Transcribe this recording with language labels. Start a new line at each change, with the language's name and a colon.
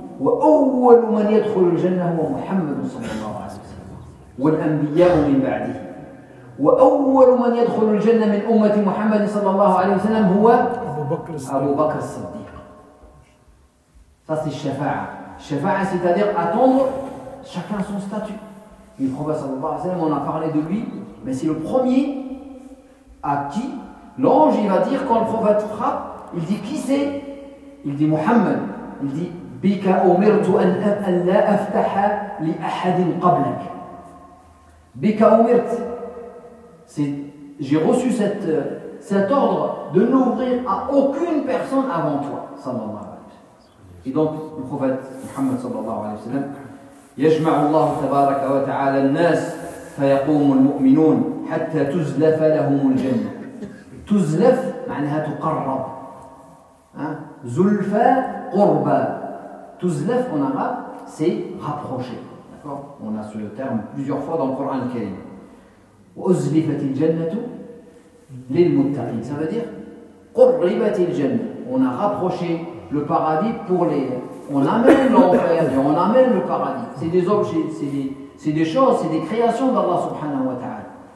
Arabic: وأول من يدخل الجنة هو محمد صلى الله عليه وسلم والأنبياء من بعده. وأول من يدخل الجنة من أمة محمد صلى الله عليه وسلم هو أبو بكر الصديق. فصل الشفاعة.
French: الشفاعة c'est-à-dire attendre chacun son statut. Le prophète صلى الله عليه وسلم, on a parlé de lui, mais c'est le premier à qui l'ange il va dire quand le prophète frappe, il dit qui c'est? Il dit Muhammad. Il dit
Arabic: بك أمرت أن لا أفتح لأحد قبلك. بك أمرت,
French: c'est, j'ai reçu cet ordre de n'ouvrir à aucune personne avant toi, sallallahu alayhi wa sallam. Et donc le prophète Muhammad sallallahu alayhi wa sallam,
Arabic: يجمع الله تبارك وتعالى الناس فيقوم المؤمنون حتى تزلف لهم الجنة. تزلف معناها تقرب, زلفا قربا.
French: Tuzlef en arabe, c'est rapprocher. D'accord? On a ce terme plusieurs fois dans le Coran al-Karim.
Arabic: Uzlifat al-jannatu lil-muttaqin.
French: Ça veut dire
Arabic: qurribat al-jannah.
French: On a rapproché le paradis pour les. On amène l'enfer, on amène le paradis. C'est des objets, c'est des choses, c'est des créations d'Allah subhanahu wa ta'ala.